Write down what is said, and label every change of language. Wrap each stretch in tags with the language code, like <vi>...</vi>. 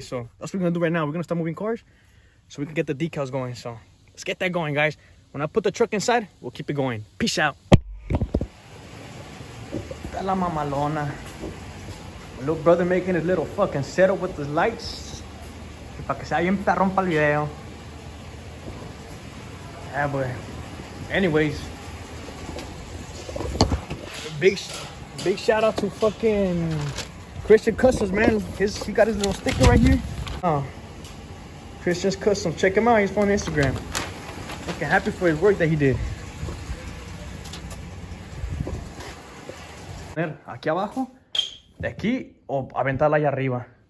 <en>So that's what we're gonna do right now. We're gonna start moving cars so we can get the decals going. So let's get that going, guys. When I put the truck inside, we'll keep it going. Peace out.</en> <es>La mamalona.</es> <en>My little brother making his little fucking setup with the lights.</en> <es>Para que sea bien perrón para el video.</es> <en>Yeah, boy. Anyways. Big shout out to fucking Christian Customs, man. He got his little sticker right here. Oh, Christian's Customs. Check him out. He's on Instagram. Fucking happy for his work that he did.</en> <es>Aquí abajo, de aquí o aventarla allá arriba.</es>